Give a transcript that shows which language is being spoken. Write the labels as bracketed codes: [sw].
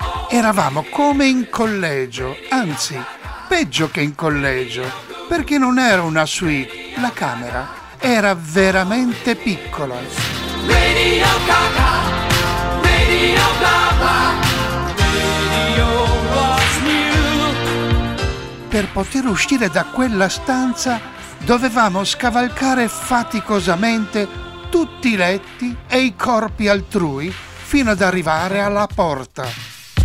[it] Eravamo come in collegio, anzi, peggio che in collegio, perché non era una suite, la camera era veramente piccola. [en] Radio Gaga, Radio Gaga, Radio was new. [it] Per poter uscire da quella stanza dovevamo scavalcare faticosamente tutti i letti e i corpi altrui fino ad arrivare alla porta.